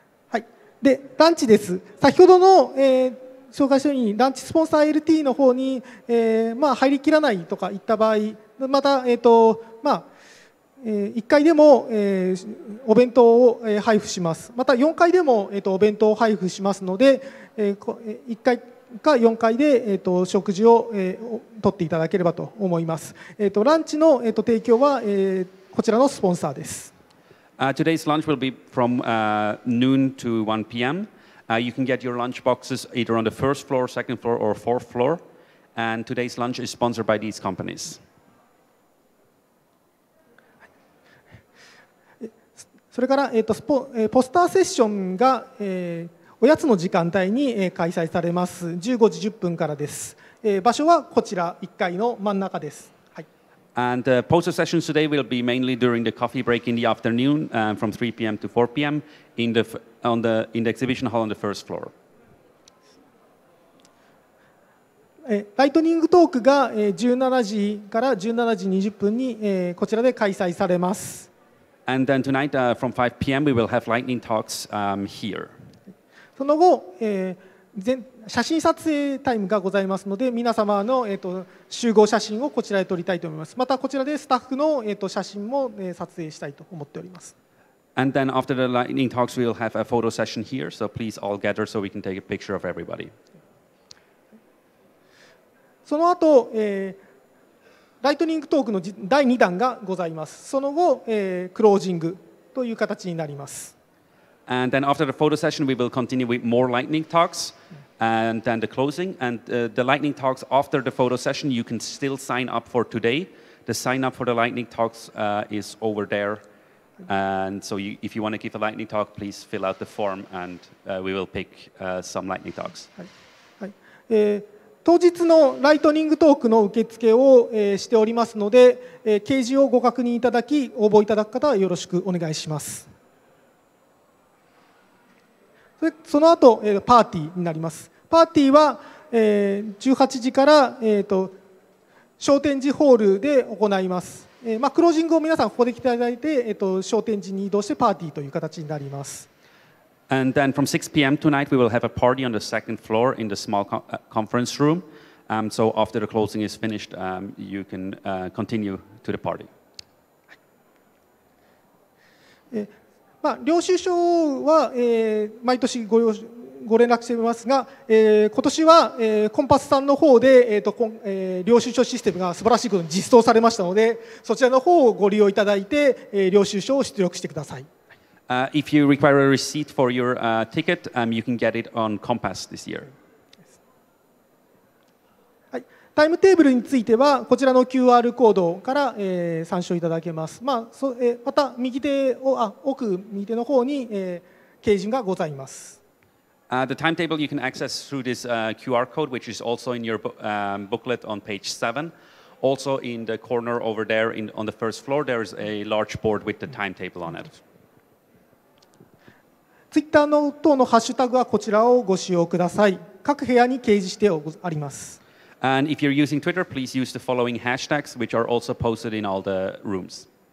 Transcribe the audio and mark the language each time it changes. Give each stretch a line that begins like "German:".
Japanese: はい、でランチです先ほどの紹介したようにランチスポンサー LT の方に入りきらないとかいった場合また1階でも、お弁当を配布します。また4階でも、お弁当を配布しますので、1階か4階で、食事を、取っていただければと思います。ランチの、提供は、こちらのスポンサーです。
English: Today's lunch will be from noon to 1 p.m. You can get your lunch boxes either on the first floor, second floor or fourth floor. And today's lunch is sponsored by these companies.
Japanese: それから、ポスターセッションが、おやつの時間帯に開催されます。 15時10分からです。場所はこちら、1階の真ん中です。はい。
English: And poster sessions today will be mainly during the coffee break in the afternoon, from 3 p.m. to 4 p.m. in the exhibition hall on the first floor.
Japanese: ライトニングトークが、17時から17時20分に、こちらで開催されます。
English: And then tonight, from 5 p.m., we will have lightning talks here.
Japanese: その後、写真撮影タイムがございますので、皆様の、集合写真をこちらで撮りたいと思います。またこちらでスタッフの、写真も、撮影したいと思っております。
English: And then after the lightning talks, we will have a photo session here. So please all gather so we can take a picture of everybody.
Japanese: その後、ライトニングトークの第2弾がございます。その後、クロージングという形になります。
English: And then after the photo session, we will continue with more lightning talks and then the closing. And the lightning talks after the photo session, you can still sign up for today. The sign up for the lightning talks is over there. And so you, if you want to give a lightning talk, please fill out the form and we will pick some lightning talks.
Japanese: はい。はい。当日のライトニングトークの受付を、しておりますので、掲示をご確認いただき、応募いただく方はよろしくお願いします。その後、パーティーになります。パーティーは、18時から、商店地ホールで行います。まあ、クロージングを皆さんここで来ていただいて、商店地に移動してパーティーという形になります。
English: And then from 6 p.m. tonight, we will have a party on the second floor in the small conference room. So after the closing is finished, you can continue to the party.
Japanese: まあ、領収書は、毎年ご連絡していますが、今年は、コンパスさんの方で、領収書システムが素晴らしいことに実装されましたので、そちらの方をご利用いただいて、領収書を出力してください。
English: If you require a receipt for your ticket, you can get it on Compass this year.
Japanese: はい、タイムテーブルについてはこちらの QR コードから、参照いただけます。まあ、また右手を奥右手の方に、掲示がございます。
English: The timetable you can access through this QR code, which is also in your booklet on page 7. Also in the corner over there on the first floor, there is a large board with the timetable on it.
Japanese: ツイッターの等のハッシュタグはこちらをご使用ください。各部屋に掲示してあります。
English: And if you're using Twitter, please use the following hashtags, which are also posted in all the rooms.